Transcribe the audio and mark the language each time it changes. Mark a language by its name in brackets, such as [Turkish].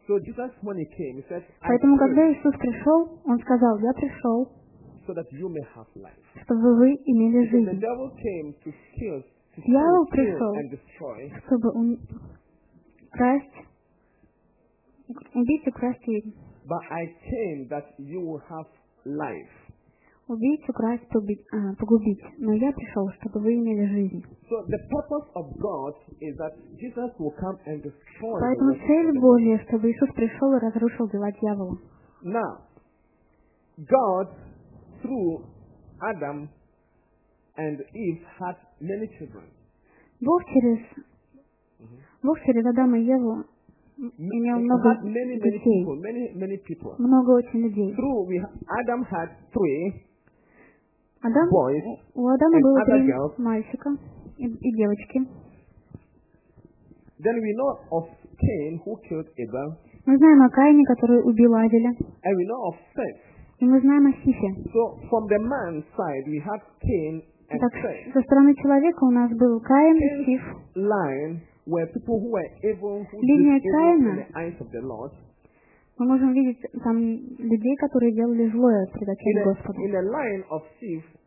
[English] So Jesus, when he came, he said, [Russian] Поэтому, когда Иисус пришел, он сказал, я пришел, [English] So that you may have life. [Russian] Чтобы вы имели жизнь. [English] The devil came to steal, [Russian] Дьявол пришел, [English] and destroy, [Russian] чтобы убить и украсть жизнь. [English] But I came that you will have life. [Russian] Убить, украсть, погубить. Но я пришел, чтобы вы имели жизнь. Поэтому цель Божья, чтобы Иисус пришел и разрушил дела дьявола. [English] Now, God through Adam and Eve had many children. [Russian] Бог через Адама и Еву имел много детей. [English] Many people. [Russian] Много очень людей. [English] Through Adam had three boys. [Russian] У Адама было три мальчика и девочки. [English] Then we know of Cain who killed Abel. [Russian] Мы знаем о Каине, который убил Авеля. [English] And we know of Seth. [Russian] И мы знаем о Сифе. [English] So, [Russian] так, со стороны человека у нас был Каин и Сиф. Линия Каина, мы можем видеть там людей, которые делали злое перед очами Господа.